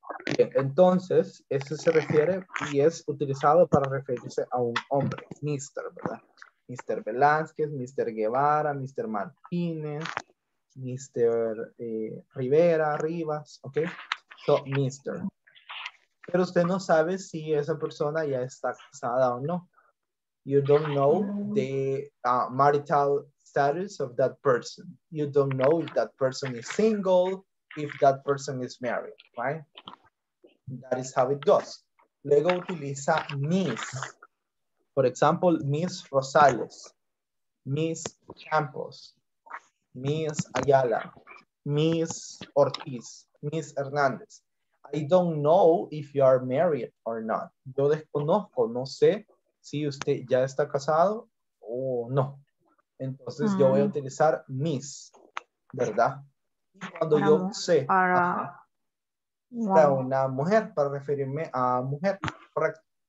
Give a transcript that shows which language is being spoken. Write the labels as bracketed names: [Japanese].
[Spanish] Bien, entonces, eso se refiere y es utilizado para referirse a un hombre, Mr., ¿verdad? Mr. Velázquez, Mr. Guevara, Mr. Martínez, Mr. Rivera, Rivas, ¿ok? So, Mr. Pero usted no sabe si esa persona ya está casada o no. [English] You don't know the marital status of that person. You don't know if that person is single, if that person is married, right? That is how it goes. Luego utiliza Miss. For example, Miss Rosales, Miss Campos, Miss Ayala, Miss Ortiz, Miss Hernandez. I don't know if you are married or not. [Spanish] Yo desconozco, no sé si usted ya está casado o no. Entonces yo voy a utilizar Miss, ¿verdad? Y cuando yo sé... Para una mujer, para referirme a mujer, correcto.